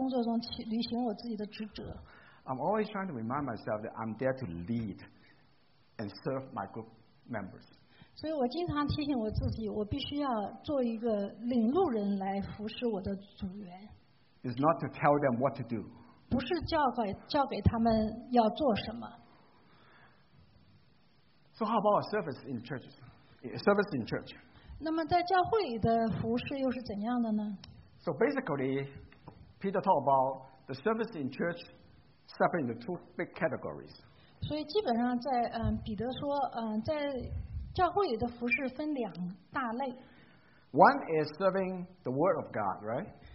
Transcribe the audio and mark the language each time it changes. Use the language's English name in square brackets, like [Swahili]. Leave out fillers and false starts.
[Chinese] 我经常提醒我自己，我怎样在工作中履行我自己的职责。 [English] I'm always trying to remind myself that I'm there to lead and serve my group members. [Chinese] 所以我经常提醒我自己，我必须要做一个领路人来服侍我的组员。 [English] It's not to tell them what to do. [Chinese] 不是教给他们要做什么。 [English] So how about our service in churches? Service in church. [Chinese] 那么在教会里的服侍又是怎样的呢？ [English] So basically, Peter talked about the service in church separate into two big categories. [Chinese] 所以基本上在彼得说，在教会里的服侍分两大类。 [English] One is serving the word of God, right?